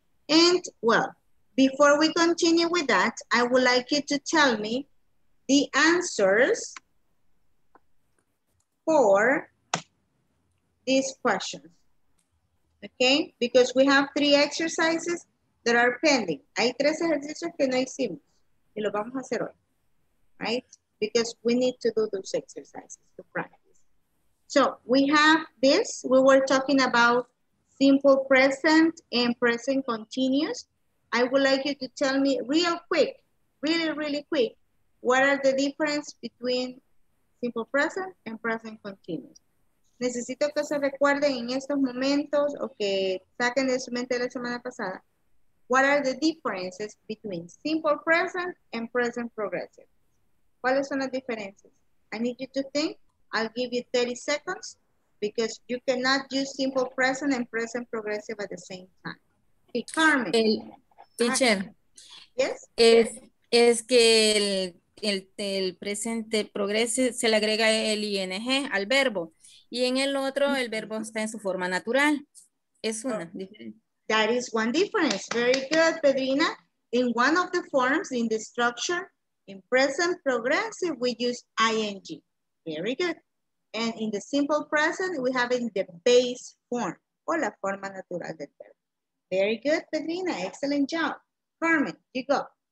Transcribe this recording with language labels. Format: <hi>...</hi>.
<en>And well, before we continue with that, I would like you to tell me the answers for these questions, okay? Because we have three exercises that are pending.</en> <es>Hay tres ejercicios que no hicimos y lo vamos a hacer hoy, right?</es> <en>Because we need to do those exercises to practice. So we have this, we were talking about simple present and present continuous. I would like you to tell me real quick, really, really quick, what are the differences between simple present and present continuous.</en> <es>Necesito que se recuerden en estos momentos o que saquen de su mente la semana pasada.</es> <en>What are the differences between simple present and present progressive?</en> <es>¿Cuáles son las diferencias?</es> <en>I need you to think. I'll give you 30 seconds because you cannot use simple present and present progressive at the same time. Hey, Carmen.</en> <es>El, teacher.</es> <en>Yes?</en> <es>Es que el presente progressive se le agrega el ing al verbo. Y en el otro, el verbo está en su forma natural. Es una diferencia.</es> <en>That is one difference. Very good, Pedrina. In one of the forms in the structure, in present progressive, we use ing. Very good. And in the simple present, we have in the base form,</en> <es>o la forma natural del verbo.</es> <en>Very good, Pedrina. Excellent job. Carmen, you go.</en>